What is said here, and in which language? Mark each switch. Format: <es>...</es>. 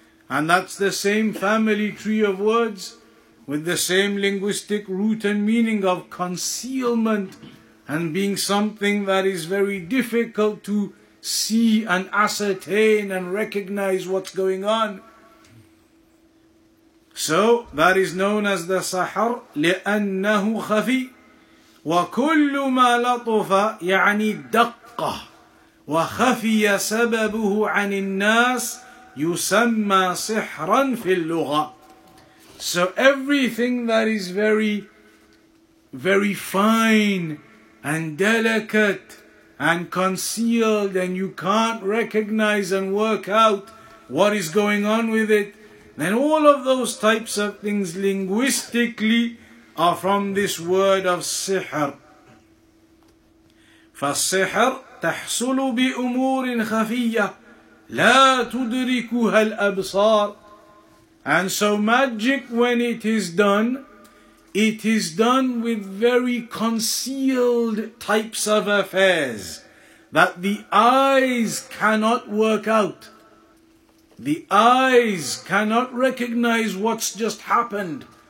<en>And that's the same family tree of words, with the same linguistic root and meaning of concealment, and being something that is very difficult to see and ascertain and recognize what's going on. So that is known as the Sahar,</en> <ar>لأنه خفي وكل ما لطف يعني دقة وخفي سببه عن الناس يسمى سحرا في اللغة.</ar> <en>So everything that is very, very fine and delicate and concealed, and you can't recognize and work out what is going on with it, then all of those types of things linguistically are from this word of sihr.</en> <ar>فالسحر تحصل بأمور خفية لا تدركها الأبصار.</ar> <en>And so magic, when it is done with very concealed types of affairs that the eyes cannot work out. The eyes cannot recognize what's just happened.</en>